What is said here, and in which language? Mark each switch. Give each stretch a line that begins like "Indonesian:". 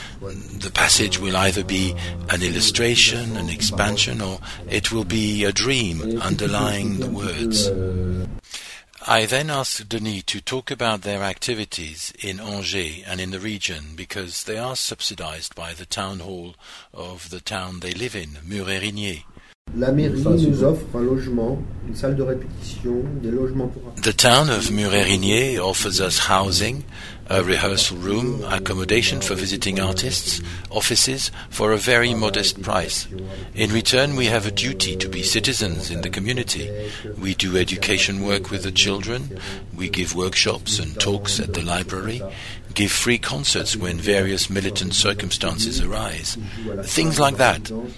English: The passage will either be an illustration, an expansion, or it will be a dream underlying the words. I then asked Denis to talk about their activities in Angers and in the region, because they are subsidized by the town hall of the town they live in, Mur-et-Rigny.
French: La mairie nous offre un logement, une salle de répétition, des logements pour...
English: The town of Mur-et-Rigny offers us housing, a rehearsal room, accommodation for visiting artists, offices for a very modest price. In return, we have a duty to be citizens in the community. We do education work with the children, we give workshops and talks at the library, give free concerts when various militant circumstances arise, things like that.